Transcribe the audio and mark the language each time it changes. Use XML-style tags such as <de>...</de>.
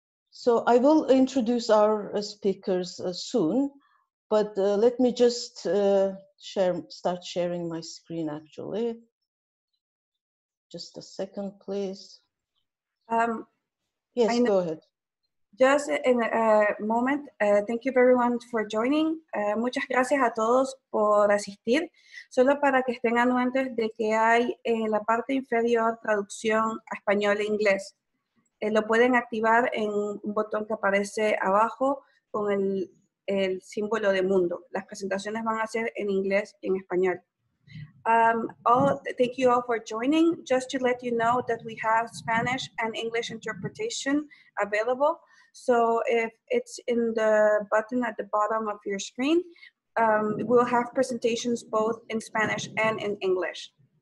<en>So I will introduce our speakers soon, but let me just start sharing my screen actually. Just a second, please. Yes, go ahead. Just in a moment, thank you everyone for joining.</en> <es>Muchas gracias a todos por asistir. Solo para que estén anuentes de que hay en la parte inferior traducción a español e inglés. Lo pueden activar en un botón que aparece abajo con el símbolo de mundo. Las presentaciones van a ser en inglés y en español.</es> <en>Thank you all for joining. Just to let you know that we have Spanish and English interpretation available. So if it's in the button at the bottom of your screen, we'll have presentations both in Spanish and in English.</en>